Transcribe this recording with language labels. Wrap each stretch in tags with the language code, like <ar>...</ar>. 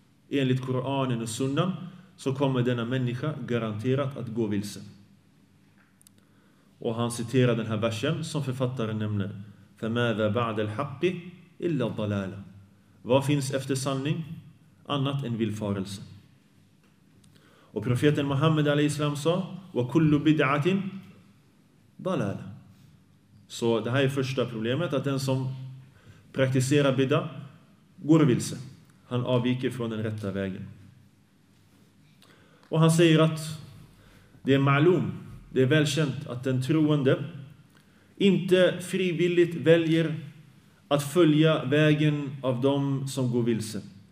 <sv>Enligt Koranen och Sunnan så kommer denna människa garanterat att gå vilse. Och han citerar den här versen som författaren nämner.</sv> <ar>فَمَاذَا بَعْدَ الْحَقِّ إِلَّا الضَّلَالَ.</ar> <sv>Vad finns efter sanning annat än villfarelse? Och profeten Muhammad a.s. sa</sv> <ar>وَكُلُّ بِدْعَةٍ ضَلَالَ.</ar> <sv>Så det här är första problemet, att den som praktiserar bidda går vilse. Han avviker från den rätta vägen. Och han säger att det är ma'lum, det är välkänt att den troende inte frivilligt väljer att följa vägen av de som går vilse.</sv>